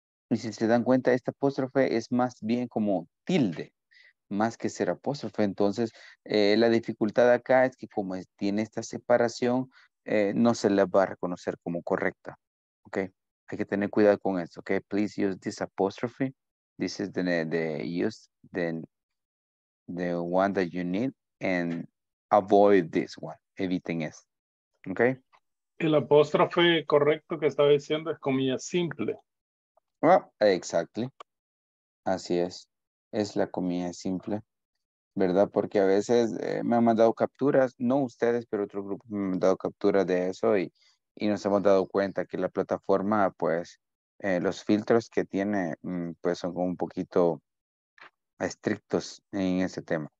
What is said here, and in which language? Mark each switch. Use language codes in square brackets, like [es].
[es] Y si se dan cuenta, esta apóstrofe es más bien como tilde, más que ser apóstrofe. Entonces, la dificultad acá es que como tiene esta separación, no se la va a reconocer como correcta, ¿ok? Hay que tener cuidado con esto, ¿ok? [en] Please use this apostrophe. This is the one that you need and avoid this one. [es] Eviten esto, ¿ok? El apóstrofe correcto que estaba diciendo es comilla simple. [en] Well, exactly. [es] Así es. Es la comilla simple, ¿verdad? Porque a veces me han mandado capturas, no ustedes, pero otro grupo me han mandado capturas de eso y nos hemos dado cuenta que la plataforma, pues, los filtros que tiene, pues, son un poquito estrictos en ese tema.